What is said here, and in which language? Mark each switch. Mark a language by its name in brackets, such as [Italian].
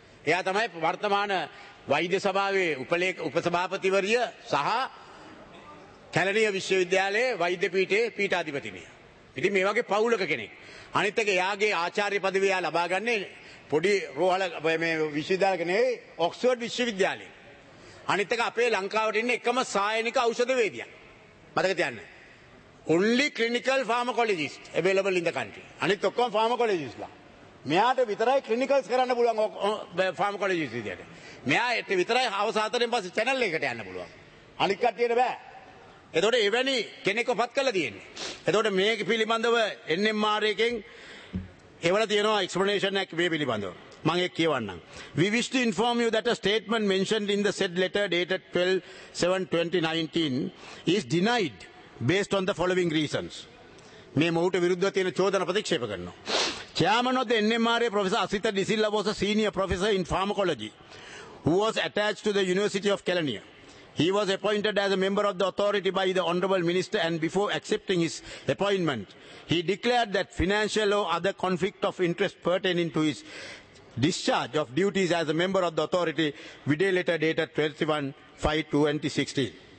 [Sinhala] එයා තමයි වර්තමාන වෛද්‍ය සභාවේ උපසභාපතිවරිය සහ කැලණිය විශ්වවිද්‍යාලයේ වෛද්‍ය පීඨයේ පීඨාධිපතිනිය. ඉතින් මේ වගේ පෞලක කෙනෙක්. අනිත් එක එයාගේ ආචාර්ය පදවිය එයා ලබා ගන්නේ පොඩි රෝහල මේ විශ්වවිද්‍යාලක නෙවෙයි, ඔක්ස්ෆර්ඩ් විශ්වවිද්‍යාලයේ. අනිත් එක අපේ ලංකාවට ඉන්න එකම සායනික ඖෂධවේදියා. මතක තියන්න. [English] Only clinical pharmacologist available in the country. [Sinhala] අනිත් ඔක්කොම ෆාමකොලොජිස්ට්ලා. මෙයාට විතරයි ක්ලිනිකල්ස් කරන්න පුළුවන් ෆාමකොලොජිස්ට් විදියට. මෙයාට විතරයි අවසාතරෙන් පස්සේ චැනල් එකට යන්න පුළුවන්. අනිත් කට්ටියට බෑ. එතකොට එවැනි කෙනෙක්ව පත් කළා තියෙන්නේ. එතකොට මේක පිළිබඳව NMR එකෙන් එවලා තියෙනවා explanation එකක් මේ පිළිබඳව. මම ඒක කියවන්නම්. [English] We wish to inform you that a statement mentioned in the said letter dated 12/7/2019 is denied based on the following reasons. [Sinhala] මේ මොහුට විරුද්ධව තියෙන චෝදන ප්‍රතික්ෂේප කරනවා. [English] Chairman of the NMR Professor Asita Disilla was a senior professor in pharmacology who was attached to the University of Kelaniya. He was appointed as a member of the authority by the Honorable Minister, and before accepting his appointment, he declared that financial or other conflict of interest pertaining to his discharge of duties as a member of the authority, video letter dated 21/5/2016.